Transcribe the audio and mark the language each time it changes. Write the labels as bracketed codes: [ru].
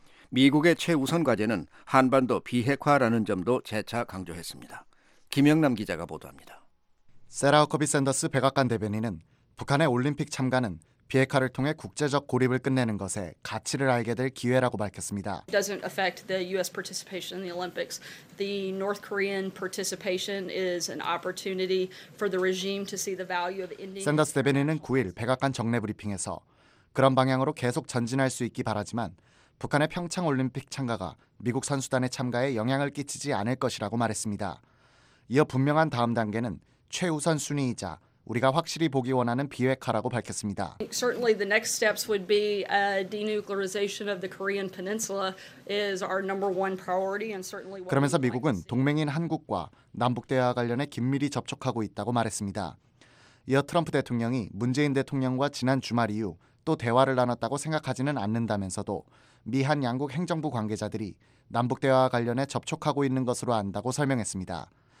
[ko] 미국의 최우선 과제는 한반도 비핵화라는 점도 재차 강조했습니다. 김영남 기자가 보도합니다. 세라 허커비 샌더스 백악관 대변인은 북한의 올림픽 참가는 비핵화를 통해 국제적 고립을 끝내는 것에 가치를 알게 될 기회라고 밝혔습니다. [en] It doesn't affect the U.S. participation in the Olympics. The North Korean participation is an opportunity for the regime to see the value of ending. [ko] 샌더스 대변인은 9일 백악관 정례 브리핑에서 그런 방향으로 계속 전진할 수 있기 바라지만 북한의 평창 올림픽 참가가 미국 선수단의 참가에 영향을 끼치지 않을 것이라고 말했습니다. 이어 분명한 다음 단계는 최우선 순위이자 우리가 확실히 보기 원하는 비핵화라고 밝혔습니다. [en] Certainly the next steps would be a denuclearization of the Korean Peninsula is our number one priority and certainly. [ko] 그러면서 미국은 동맹인 한국과 남북 대화 관련해 긴밀히 접촉하고 있다고 말했습니다. 이어 트럼프 대통령이 문재인 대통령과 지난 주말 이후 또 대화를 나눴다고 생각하지는 않는다면서도 미한 양국 행정부 관계자들이 남북 대화와 관련해 접촉하고 있는 것으로 안다고 설명했습니다.